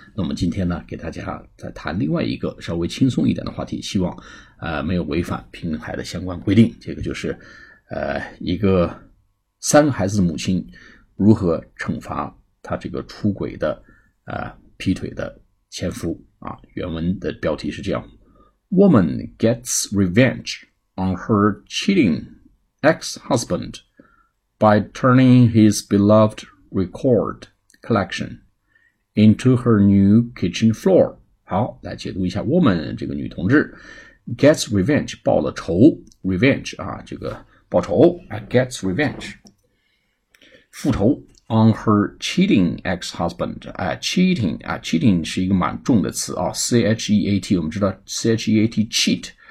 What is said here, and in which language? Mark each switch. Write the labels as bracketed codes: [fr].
[zh] 那么今天呢，给大家再谈另外一个稍微轻松一点的话题，希望没有违反平台的相关规定。这个就是一个三个孩子的母亲如何惩罚她这个出轨的劈腿的前夫啊。原文的标题是这样 [en] ：Woman gets revenge on her cheating ex-husband by turning his beloved record collection into her new kitchen floor. [zh] 好，来解读一下 woman 这个女同志 [en] gets revenge [zh] 报了仇 revenge 啊，这个报仇 gets revenge 复仇 [en] on her cheating ex-husband. [zh] Cheating cheating 是一个蛮重的词啊 ，cheat 我们知道 cheat cheat。